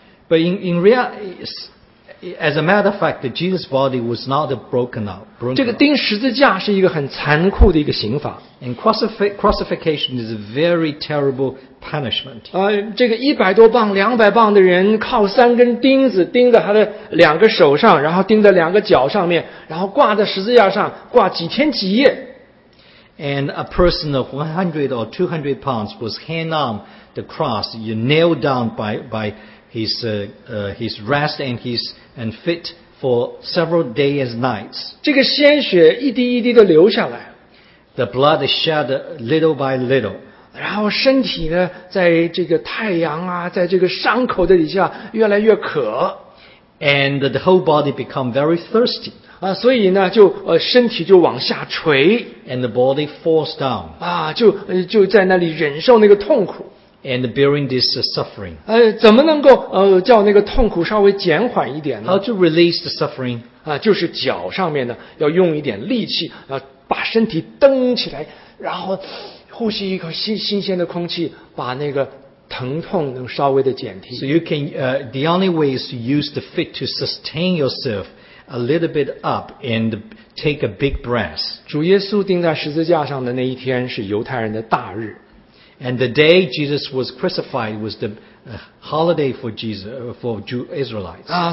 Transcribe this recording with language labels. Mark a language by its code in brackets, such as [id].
[en] But in reality, as a matter of fact, Jesus' body was not broken out. [zh] 这个钉十字架是一个很残酷的一个刑罚。 [en] And crucifixion is a very terrible punishment. [zh] 这个100多磅、200磅的人靠三根钉子钉在他的两个手上，然后钉在两个脚上面，然后挂在十字架上挂几天几夜。 [en] And a person of 100 or 200 pounds was hanged on the cross, nailed down by his wrist and feet for several days and nights. [zh] 这个鲜血一滴一滴的流下来。 [en] The blood shed little by little. [zh] 然后身体呢，在这个太阳啊，在这个伤口的底下越来越渴。 [en] And the whole body become very thirsty. [zh] 所以呢就身体就往下垂。 [en] And the body falls down. [zh] 就在那里忍受那个痛苦。 [en] And bearing this suffering. [zh] 怎么能够叫那个痛苦稍微减缓一点呢？ [en] How to release the suffering? [zh] 就是脚上面呢要用一点力气把身体蹬起来，然后呼吸一口新鲜的空气，把那个疼痛能稍微的减轻。 [en] So you can, the only way is to use the feet to sustain yourself a little bit up and take a big breath. [zh] 主耶稣钉在十字架上的那一天是犹太人的大日。 [en] And the day Jesus was crucified was the holiday for Jesus, for Israelites.